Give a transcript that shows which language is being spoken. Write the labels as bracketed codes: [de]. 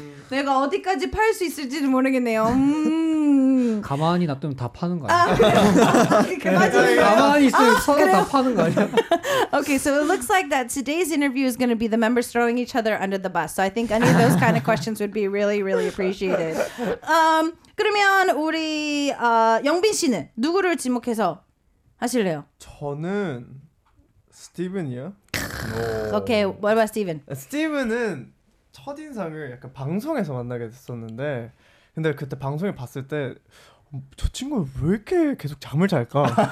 [ko] 내가 어디까지 팔 수 있을지는 모르겠네요. 가만히 놔두면 다 파는 거 아니야? 가만히 있으면 서로 다 파는 거 아니야? [en] Okay, so it looks like that today's interview is going to be the members throwing each other under the bus. So I think any of those kind of questions would be really, really appreciated. [ko] 그러면 우리 영빈 씨는 누구를 지목해서 하실래요? 저는 스티븐이요. [en] Okay, what about Steven? [ko] Steven은 첫인상을 약간 방송에서 만나게 됐었는데 근데 그때 방송에 봤을 때 저 친구는 왜 이렇게 계속 잠을 잘까?